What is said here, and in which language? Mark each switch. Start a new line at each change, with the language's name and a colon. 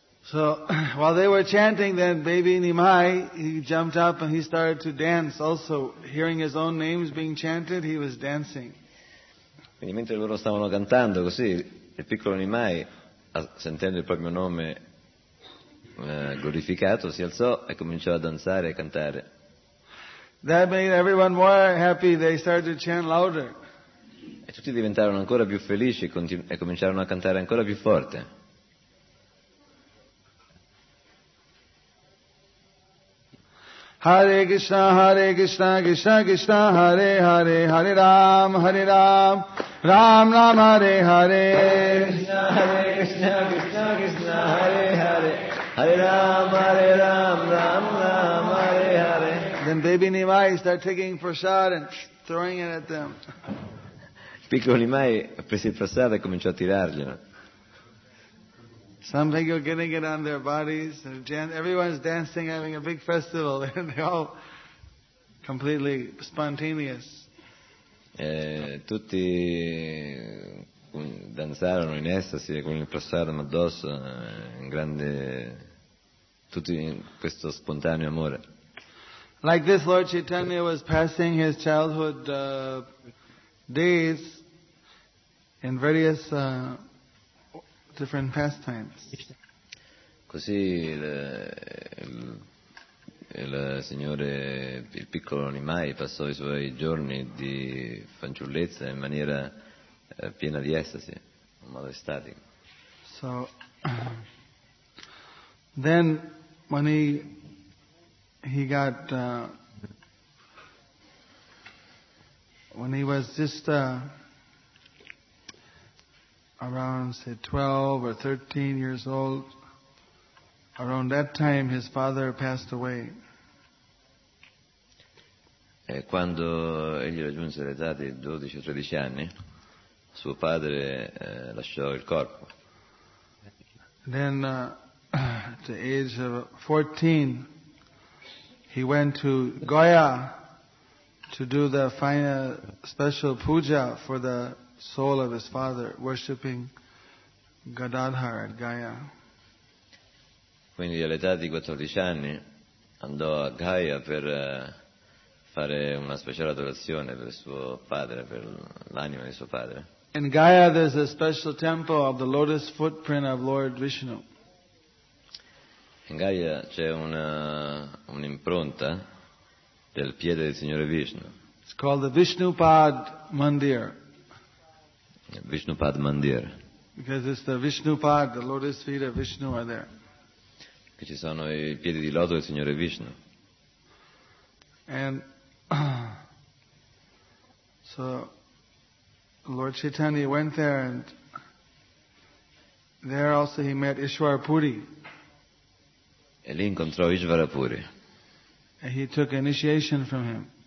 English: So while they were chanting, then baby Nimai, he jumped up and he started to dance also. Hearing his own names being chanted, he was dancing.
Italian: Quindi mentre loro stavano cantando così, il piccolo Nimai, sentendo il proprio nome glorificato, si alzò e cominciò a danzare e cantare.
English: That made everyone more happy. They started to chant louder.
Italian: E tutti diventarono ancora più felici e cominciarono a cantare ancora più forte.
Sanskrit: Hare Krishna, Hare Krishna, Krishna Krishna, Hare Hare, Hare Ram, Hare Ram, Ram Ram, Hare Hare. Hare Krishna, Hare Krishna, Krishna Krishna, Hare Hare, Hare Ram, Hare Ram, Ram Ram, Hare Hare.
English: Then baby Nimai started taking prasad and throwing it at them.
Italian: Piccolo Nimai ha preso il prasad e cominciò a tirarglielo.
English: Some people are getting it on their bodies. Everyone's dancing, having a big festival. They're all completely spontaneous.
Italian: Tutti danzarono in estasi con il prasadam addosso, in grande, tutti in questo spontaneo amore.
English: Like this, Lord Chaitanya was passing his childhood days in various different pastimes.
Italian: Così il signore, il piccolo Nimai, passò i suoi giorni di fanciullezza in maniera piena di estasi, in modo estatico.
English: So, then when he got when he was just around, say, 12 or 13 years old, around that time his father passed away.
Italian: E quando egli raggiunse l'età di 12 o 13 anni, suo padre lasciò il corpo.
English: Then, at the age of 14, he went to Goya to do the final special puja for the soul of his father, worshipping Gadadhar at Gaya.
Italian: Quindi all'età di 14 anni andò a Gaya per fare una speciale adorazione per suo padre, per l'anima di suo padre.
English: In Gaya there's a special temple of the lotus footprint of Lord Vishnu.
Italian: In Gaya c'è un'impronta del piede del Signore Vishnu.
English: It's called the Vishnupad Mandir.
Italian: Vishnupad Mandir.
English: Because it's the Vishnupad, the lotus feet of Vishnu are there.
Italian: Che ci sono i piedi di loto del Signore Vishnu.
English: And so Lord Chaitanya went there, and there also he met Ishwarapuri.
Italian: E lì incontrò Ishwarapuri.
English: And he took initiation from him.